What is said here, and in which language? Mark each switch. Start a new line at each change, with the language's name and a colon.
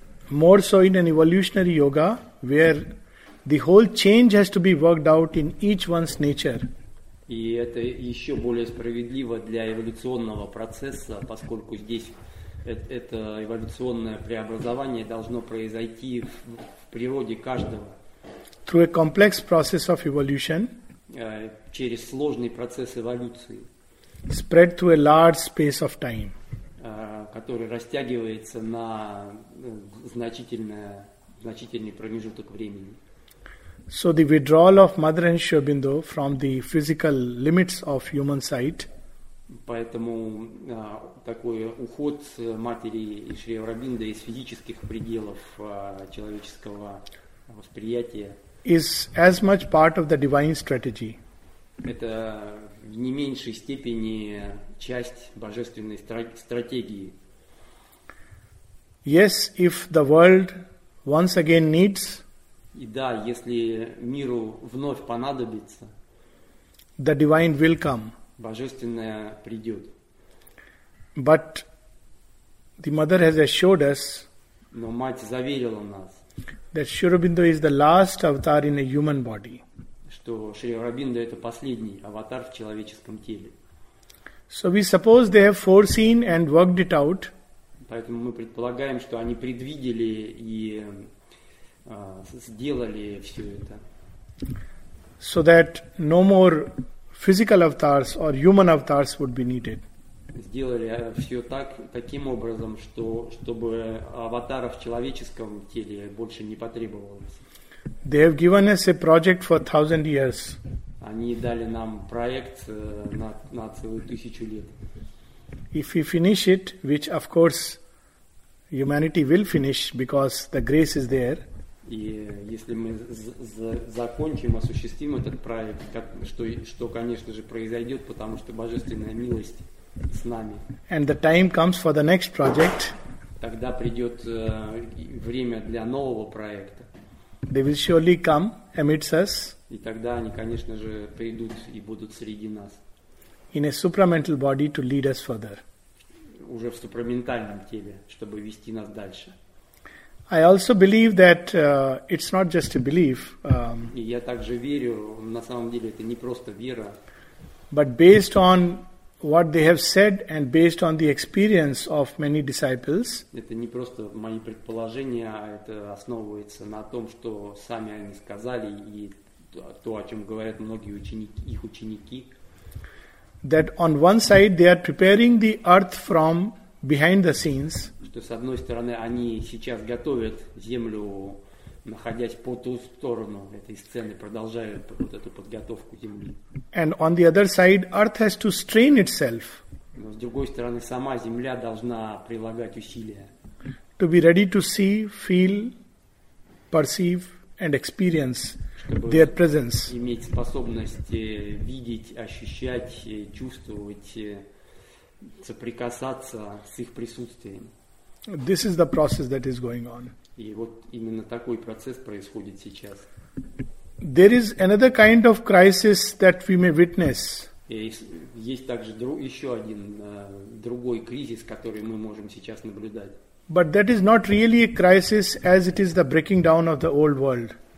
English: More so in an evolutionary yoga, where the whole change has to be worked out in each one's nature.
Russian: И это еще более справедливо для эволюционного процесса, поскольку здесь это эволюционное преобразование должно произойти в природе каждого.
English: Through a complex process of evolution.
Russian: Через сложный процесс эволюции.
English: Spread through a large space of time.
Russian: Который растягивается на значительный промежуток времени.
English: So the withdrawal of Mother and Shobindo from the physical limits of human sight.
Russian: Поэтому такой уход матери и Шри Аурабиндо из физических пределов человеческого восприятия
English: is as much part of the divine strategy.
Russian: Это в не меньшей степени часть божественной стратегии.
English: Yes, if the world once again needs,
Russian: и да, если миру вновь понадобится,
English: the divine will come.
Russian: Божественное придет.
English: But the mother has assured us,
Russian: но мать заверила нас,
English: that Sri Aurobindo is the last avatar in a human body.
Russian: Что Шри Аурабиндо это последний аватар в человеческом теле.
English: So we suppose they have foreseen and worked it out.
Russian: Поэтому мы предполагаем, что они предвидели и сделали все это.
English: So that no more physical avatars or human avatars would be needed.
Russian: Сделали все таким образом, чтобы аватаров в человеческом теле больше не потребовалось.
English: They have given us a project for 1,000 years.
Russian: Они дали нам проект на целую тысячу лет.
English: If we finish it, which of course humanity will finish because the grace is there.
Russian: И если мы закончим, осуществим этот проект, что конечно же произойдет, потому что божественная милость с нами.
English: And the time comes for the next project.
Russian: Тогда придет время для нового проекта.
English: They will surely come amidst us.
Russian: И тогда они, конечно же, придут и будут среди нас.
English: In a supramental body to lead us further.
Russian: Уже в супраментальном теле, чтобы вести нас дальше.
English: I also believe that it's not just a belief.
Russian: И я также верю, на самом деле это не просто вера.
English: But based on what they have said and based on the experience of many disciples.
Russian: Это не просто мои предположения, а это основывается на том, что сами они сказали и то, о чем говорят многие ученики, их ученики.
English: That on one side they are preparing the earth from behind the scenes.
Russian: Что с одной стороны они сейчас готовят землю находясь по ту сторону этой сцены, продолжая вот эту подготовку Земли.
English: And on the other side, Earth has to strain itself.
Russian: Но с другой стороны, сама Земля должна прилагать усилия.
English: To be ready to see, feel, perceive and experience their presence.
Russian: Иметь способность видеть, ощущать, чувствовать, соприкасаться с их присутствием.
English: This is the process that is going on.
Russian: И вот именно такой процесс происходит сейчас.
English: There is another kind of crisis that we may witness.
Russian: Есть также еще один другой кризис, который мы можем сейчас наблюдать.
English: But that is not really a crisis, as it is the breaking down of the old world.